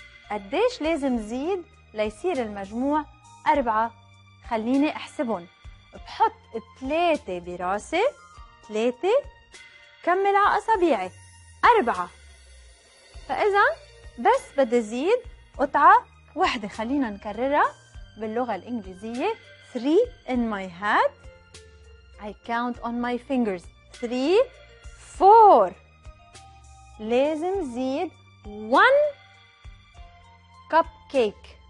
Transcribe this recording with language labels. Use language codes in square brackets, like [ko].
[ar] قديش لازم زيد ليصير المجموع أربعة؟ خليني أحسبهم. بحط ثلاثة براسي، ثلاثة كمل على أصابيعي، أربعة. فإذا بس بدي زيد قطعة واحدة. خلينا نكررها باللغة الإنجليزية، [en] 3 in my hat I count on my fingers. 3 4. [ar] لازم زيد 1 cupcake.